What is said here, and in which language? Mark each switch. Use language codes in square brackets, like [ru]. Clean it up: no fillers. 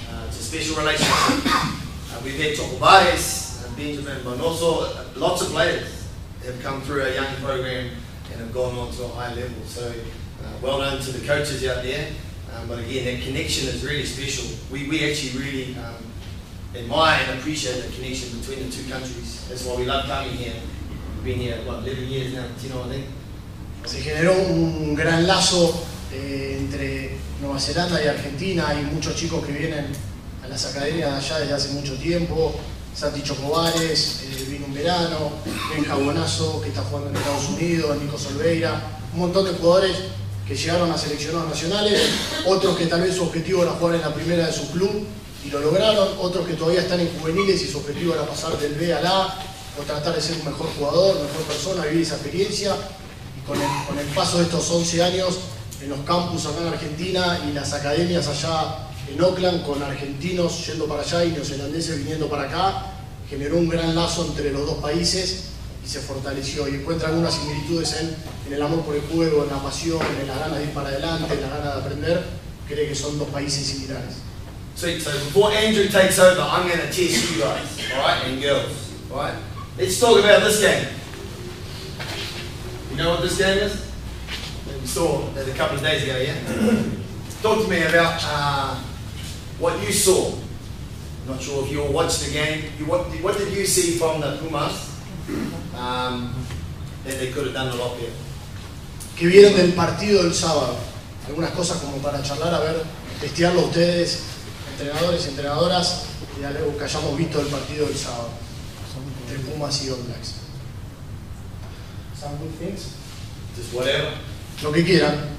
[en] It's a special relationship. We've had Topobares, Benjamin Bonoso, lots of players have come through our young program and have gone on to a high level. So well done to the coaches out there. But again, that connection is really special. We actually really admire and appreciate the connection between the two countries. That's why we love coming here. We've been here, what, 11 years now, 10 or 11? [es] Se generó un gran lazo entre Nueva Zelanda y Argentina. Hay muchos chicos que vienen a las academias de allá desde hace mucho tiempo. Santi Chocobares vino un verano. Benja Bonazo, que está jugando en Estados Unidos. Nico Solveira. Un montón de jugadores que llegaron a seleccionados nacionales, otros que tal vez su objetivo era jugar en la primera de su club y lo lograron, otros que todavía están en juveniles y su objetivo era pasar del B al A o tratar de ser un mejor jugador, mejor persona, vivir esa experiencia. Y con el paso de estos 11 años en los campus acá en Argentina y las academias allá en Auckland, con argentinos yendo para allá y neozelandeses viniendo para acá, generó un gran lazo entre los dos países y se fortaleció, y encuentra algunas similitudes en el amor por el juego, en la pasión, en la gana de ir para adelante, en la gana de aprender. Cree que son dos países similares. [en] Sweet. So before Andrew takes over, I'm going to test you guys, alright, and girls, alright? Let's talk about this game. You know what this game is? You saw it a couple of days ago, yeah? Talk to me about what you saw. I'm not sure if you all watched the game. What did you see from the Pumas? that they could have done a lot better. [es] ¿Qué vieron del partido del sábado? Algunas cosas como para charlar, a ver, testearlo ustedes, entrenadores y entrenadoras, y algo que hayamos visto del partido del sábado, entre Pumas y All Blacks. [en] Some good things. Just whatever. [es] Lo que quieran.